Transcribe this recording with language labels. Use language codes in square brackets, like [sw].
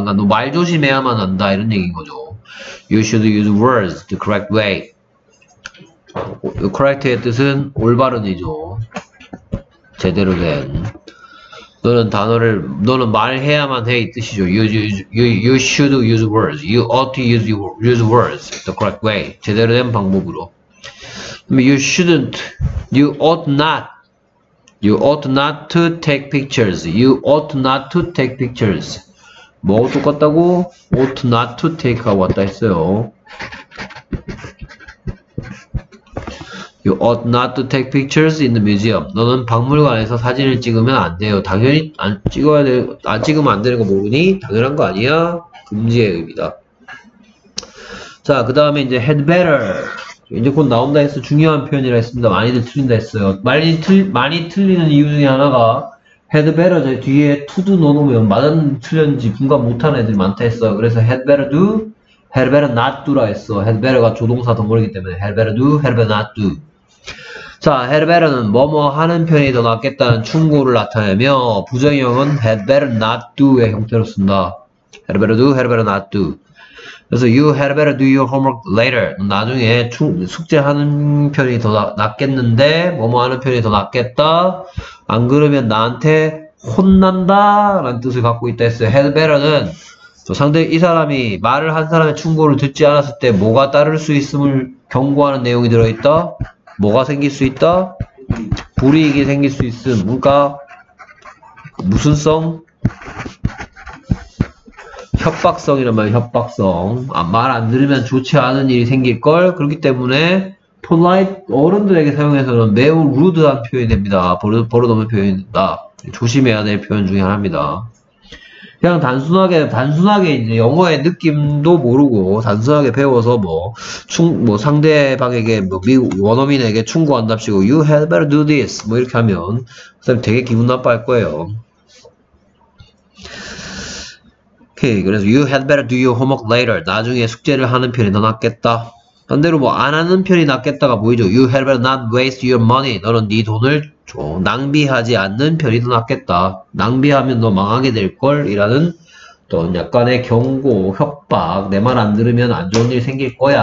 [ko] 그러니까 너 말 조심해야만 한다 이런 얘기인 거죠. [en] You should use words the correct way. [ko] correct의 뜻은 올바른이죠. 제대로 된. 너는 말해야만 해 이 뜻이죠. [en] You should use words. You ought to use words the correct way. [ko] 제대로 된 방법으로. [en] You shouldn't, you ought not, you ought not to take pictures, you ought not to take pictures. [ko] 뭐하고 똑같다고? ought not to take 하고 왔다 했어요. [en] You ought not to take pictures in the museum. [ko] 너는 박물관에서 사진을 찍으면 안 돼요. 당연히 안 찍으면 안 되는 거 모르니? 당연한 거 아니야? 금지의 의미다. 자, 그 다음에 이제 had better. 이제 곧 나온다 해서 중요한 표현이라 했습니다. 많이들 틀린다 했어요. 많이 틀리는 이유 중에 하나가 had better 뒤에 to do 넣어놓으면 맞았는지 틀렸는지 분간 못하는 애들이 많다 했어. 그래서 had better do, had better not do라 했어. had better가 조동사 동물이기 때문에 had better do, had better not do. 자, had better는 뭐뭐 하는 편이 더 낫겠다는 충고를 나타내며, 부정형은 had better not do의 형태로 쓴다. [en] had better do, had better not do. 그래서 you had better do your homework later. [ko] 나중에 숙제하는 편이 더 낫겠는데, 뭐뭐 하는 편이 더 낫겠다. 안 그러면 나한테 혼난다라는 뜻을 갖고 있다 했어요. had better는 상대 이 사람이 말을 한 사람의 충고를 듣지 않았을 때 뭐가 따를 수 있음을 경고하는 내용이 들어있다. 뭐가 생길 수 있다? 불이익이 생길 수 있음. 뭔가 무슨성? 협박성이란 말이야, 협박성. 아, 말안 들으면 좋지 않은 일이 생길 걸. 그렇기 때문에 polite 어른들에게 사용해서는 매우 rude한 표현이 됩니다. 버릇없는 표현이다. 조심해야 될 표현 중에 하나입니다. 그냥 단순하게 이제 영어의 느낌도 모르고 단순하게 배워서 뭐 상대방에게 뭐 미국 원어민에게 충고한답시고 [en] you had better do this [ko] 뭐 이렇게 하면 사람 되게 기분 나빠할 거예요. [en] 오케이, 그래서 you had better do your homework later. [ko] 나중에 숙제를 하는 편이 더 낫겠다. 반대로 뭐안 하는 편이 낫겠다가 보이죠. [en] you had better not waste your money. [ko] 너는 네 돈을 낭비하지 않는 편이 더 낫겠다. 낭비하면 너 망하게 될 걸. 이라는 또 약간의 경고, 협박. 내말안 들으면 안 좋은 일 생길 거야.